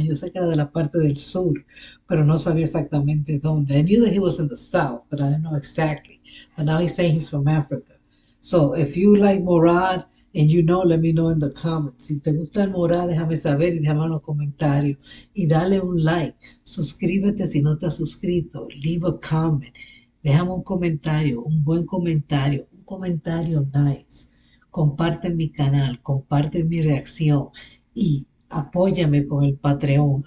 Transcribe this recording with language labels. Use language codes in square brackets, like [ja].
[es] Yo sé que era de la parte del sur, pero no sabía exactamente dónde. [en] I knew that he was in the south, but I didn't know exactly. But now he's saying he's from Africa. So if you like Morad and you know, let me know in the comments. [es] Si te gusta el Morad, déjame saber y déjame en los comentarios. Y dale un like. Suscríbete si no te has suscrito. [en] Leave a comment. [es] Déjame un comentario, un buen comentario, un comentario nice. Comparte mi canal, comparte mi reacción y apóyame con el Patreon.